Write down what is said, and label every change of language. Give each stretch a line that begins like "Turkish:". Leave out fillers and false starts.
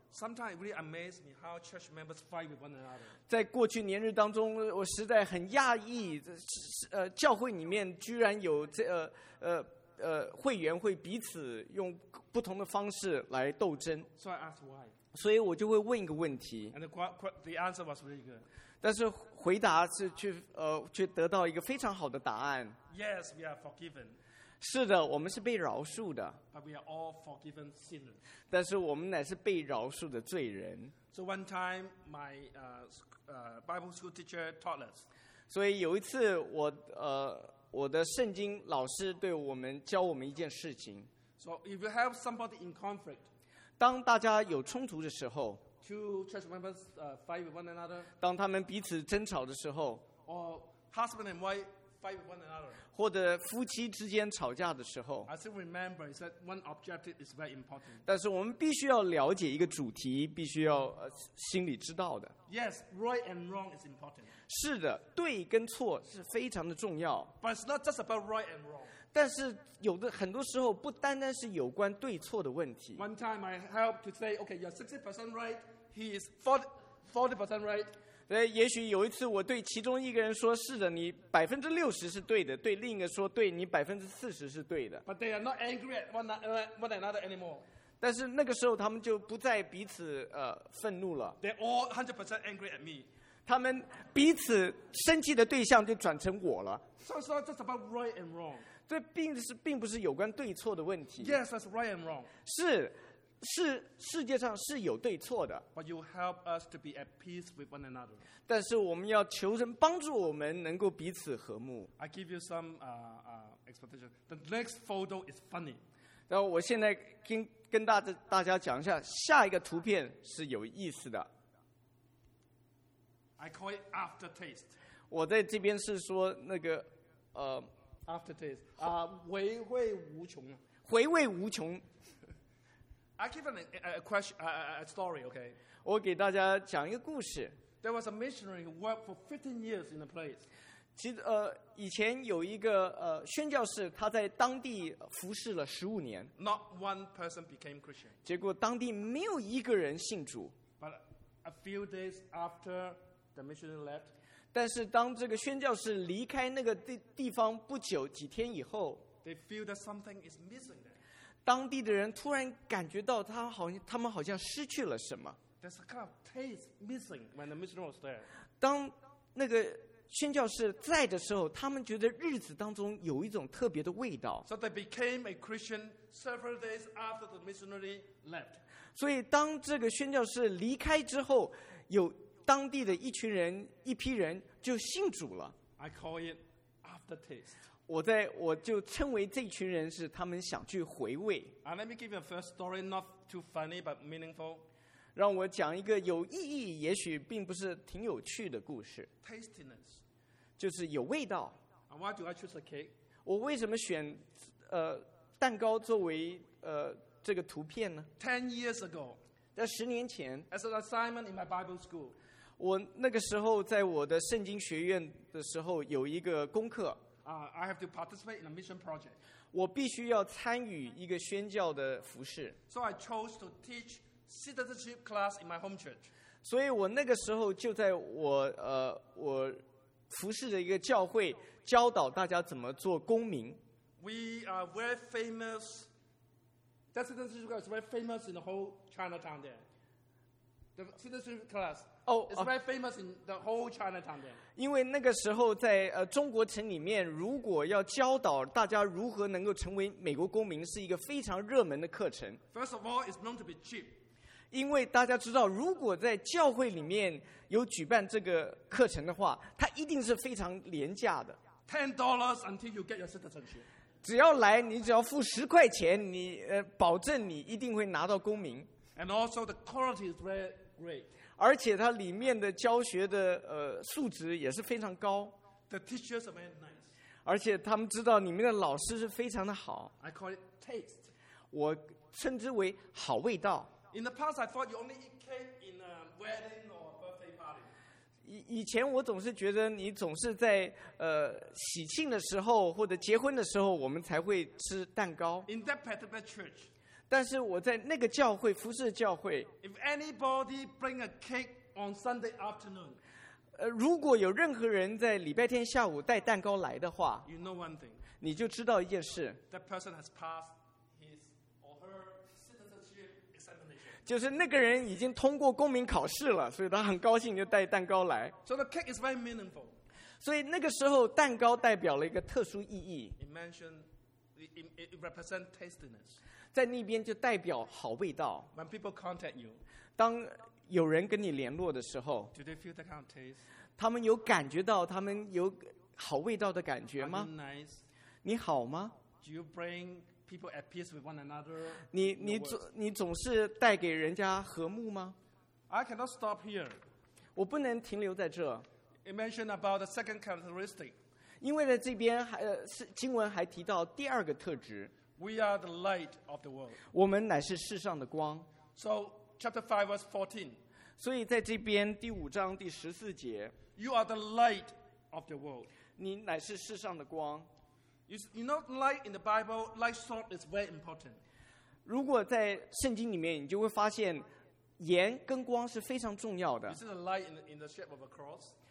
English: Sometimes it really amazes me how church members fight with one another.
Chinese: 在过去年日当中，我实在很讶异，教会里面居然有这会员会彼此用不同的方式来斗争。
English: So I asked why.
Chinese: 所以我就会问一个问题。
English: And the answer was really good.
Chinese: 但是回答是却得到一个非常好的答案。
English: Yes, we are forgiven.
Chinese: 是的，我们是被饶恕的。
English: But we are all forgiven sinners.
Chinese: 但是我们乃是被饶恕的罪人。
English: So one time, my Bible school teacher taught us.
Chinese: 所以有一次我的圣经老师对我们教我们一件事情。
English: So if you have somebody in conflict,
Chinese: 当大家有冲突的时候
English: two church members fight with one another,
Chinese: 当他们彼此争吵的时候
English: or husband and wife,Fight with one another.
Chinese: 或者夫妻之间吵架的时候
English: I still remember that one objective is very important.
Chinese: 但是我们必须要了解一个主题，必须要心里知道的。
English: Yes, right and wrong is important.
Chinese: 是的，对跟错是非常的重要。
English: But it's not just about right and wrong.
Chinese: 但是有的很多时候不单单是有关对错的问题。
English: One time I helped to say, okay, you're 60% right, he is 40% right.
Chinese: 所以也许有一次我对其中一个人说是的你60%是对的对另一个说对你40%是对的
English: But they are not angry at one another anymore
Chinese: 但是那个时候他们就不再彼此愤怒了
English: They're all 100% angry at me
Chinese: 他们彼此生气的对象就转成我了
English: So it's not just about right and wrong
Chinese: 这 并不是有关对错的问题
English: Yes, that's right and wrong
Chinese: 是是世界上是有对错的
English: But you help us to be at peace with one another.
Chinese: 但是我们要求神帮助我们能够彼此和睦
English: I give you some expectation. The next photo is funny.
Chinese: 然后我现在跟大家讲一下下一个图片是有意思的
English: I call it aftertaste.
Chinese: 我在这边是说那个
English: aftertaste.
Chinese: 回味无穷回味无穷
English: I give an a story, okay?
Chinese: 我给大家讲一个故事。
English: There was a missionary who worked for 15 years in a place.
Chinese: 其实以前有一个宣教士，他在当地服侍了15年。
English: Not one person became Christian.
Chinese: 结果当地没有一个人信主。
English: But a few days after the missionary left,
Chinese: 但是当这个宣教士离开那个地方不久，几天以后
English: ，They feel that something is missing there.
Chinese: 当地的人突然感觉到他们好像失去了什么。
English: There's a kind of taste missing when the missionary was there.
Chinese: 当那个宣教士在的时候，他们觉得日子当中有一种特别的味道。
English: So they became a Christian several days after the missionary left.
Chinese: 所以当这个宣教士离开之后，有当地的一批人就信主了。
English: I call it aftertaste.
Chinese: 我就称为这群人是他们想去回味。
English: Let me give you a first story, not too funny but meaningful.
Chinese: 让我讲一个有意义，也许并不是挺有趣的故事。
English: Tastiness，
Chinese: 就是有味道。
English: And why do I choose a cake？
Chinese: 我为什么选蛋糕作为这个图片呢
English: ？Ten years ago，
Chinese: 在十年前
English: ，as an assignment in my Bible school，
Chinese: 我那个时候在我的圣经学院的时候有一个功课。
English: I have to participate in a mission project。
Chinese: 我必须要参与一个宣教的服事。
English: So I chose to teach citizenship class in my home church。
Chinese: 所以我那个时候就在我服事的一个教会教导大家怎么做公民。
English: We are very famous. That citizenship class is very famous in the whole Chinatown there. The citizenship class. Oh, it's very famous in the whole Chinatown there.
Chinese: 因为那个时候在中国城里面，如果要教导大家如何能够成为美国公民，是一个非常热门的课程。
English: First of all, it's known to be cheap.
Chinese: 因为大家知道，如果在教会里面有举办这个课程的话，它一定是非常廉价的。
English: $10 until you get your citizenship.
Chinese: 只要来，你只要付$10，你保证你一定会拿到公民。
English: And also the quality is very great.
Chinese: 而且它里面的教学的素质也是非常高。
English: The teachers are very nice.
Chinese: 而且他们知道里面的老师是非常的好。
English: I call it taste.
Chinese: 我称之为好味道。
English: In the past, I thought you only eat cake in a wedding or birthday party.
Chinese: 以前我总是觉得你总是在喜庆的时候或者结婚的时候，我们才会吃蛋糕。
English: In that particular church.
Chinese: 但是我在那个教会服侍教会
English: If anybody bring a cake on Sunday afternoon,
Chinese: 如果有任何人在礼拜天下午带蛋糕来的话
English: you know one thing,
Chinese: 你就知道一件事
English: that person has passed his or her citizenship examination.
Chinese: 就是那个人已经通过公民考试了所以他很高兴就带蛋糕来
English: So the cake is very meaningful.
Chinese: 所以那个时候蛋糕代表了一个特殊意义
English: It mentioned, it represents tastiness.
Chinese: 在那边就代表好味道。
English: When people contact you,
Chinese: 当有人跟你联络的时候
English: do they feel that kind of taste?
Chinese: 他们有感觉到他们有好味道的感觉吗
English: Are you nice?
Chinese: 你好吗
English: Do you bring people at peace with one another?
Chinese: 你总是带给人家和睦吗
English: I cannot stop here.
Chinese: 我不能停留在这。
English: You mentioned about the second characteristic.
Chinese: 因为在这边经文还提到第二个特质。
English: We are the light of the world.
Chinese: 我们乃是世上的光。
English: So, chapter 5, verse 14.
Chinese: 所以在这边第五章第十四节。
English: You are the light of the world.
Chinese: 你乃是世上的光。
English: You know, light in the Bible, light salt is very important.
Chinese: 如果在圣经里面，你就会发现盐跟光是非常重要的。
English: You see the light in the shape of a cross.